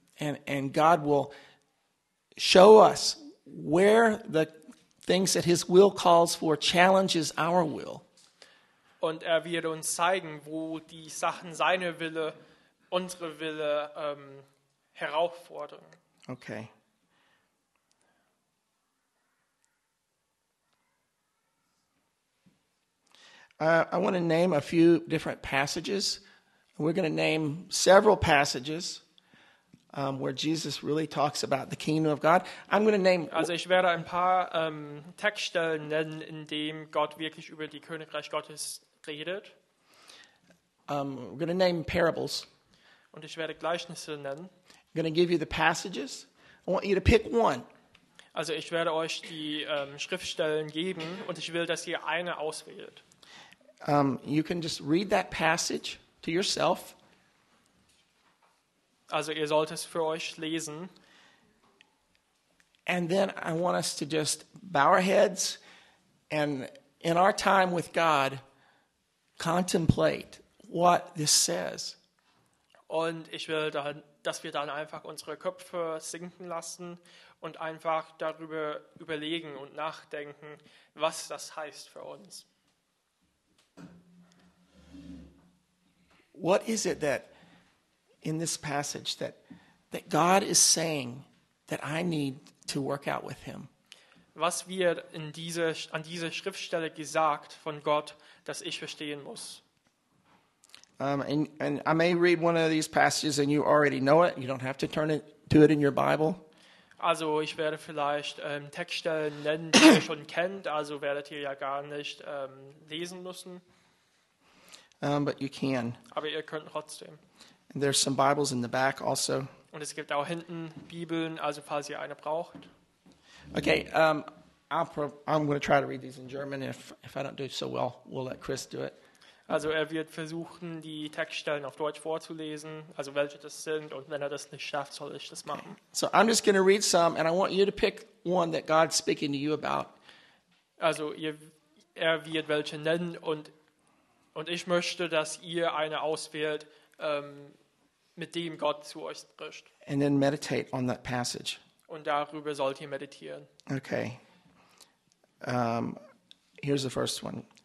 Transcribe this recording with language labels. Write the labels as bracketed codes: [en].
[en] And God will show us where the things that his will calls for challenges our will. [de] Und wird uns zeigen, wo die Sachen seine Wille, unsere Wille herausfordern. [en] Okay. I want to name a few different passages. We're going to name several passages where Jesus really talks about the kingdom of God. I'm going to name. [de] Also, ich werde ein paar Textstellen nennen, in dem Gott wirklich über die Königreich Gottes redet. [en] We're going to name parables. [de] Und ich werde Gleichnisse nennen. [en] I'm going to give you the passages. I want you to pick one. [de] Also ich werde euch die Schriftstellen geben und ich will, dass ihr eine auswählt. [en] You can just read that passage to yourself. [de] Also ihr sollt es für euch lesen. [en] And then I want us to just bow our heads and in our time with God contemplate what this says. [de] Und ich will dann, dass wir dann einfach unsere Köpfe sinken lassen und einfach darüber überlegen und nachdenken, was das heißt für uns. [en] What is it that in this passage that God is saying that I need to work out with him? [de] Was wird in an dieser Schriftstelle gesagt von Gott, dass ich verstehen muss? [en] And I may read one of these passages and you already know it. You don't have to turn it to it in your Bible. [de] Also ich werde vielleicht Textstellen nennen, die ihr schon kennt. Also werdet ihr ja gar nicht lesen müssen. [en] But you can. [de] Aber ihr könnt trotzdem. [en] And there's some Bibles in the back also. [de] Und es gibt auch hinten Bibeln, also falls ihr eine braucht. [en] Okay, I'm going to try to read these in German. If I don't do so well, we'll let Chris do it. [de] Also er wird versuchen, die Textstellen auf Deutsch vorzulesen, also welche das sind, und wenn er das nicht schafft, soll ich das machen. [en] So I'm just going to read some, and I want you to pick one that God's speaking to you about. [de] Also er wird welche nennen, und ich möchte, dass ihr eine auswählt, mit dem Gott zu euch spricht. [en] And then meditate on that passage. [de] Und darüber sollt ihr meditieren. [en] Okay. Here's the first one.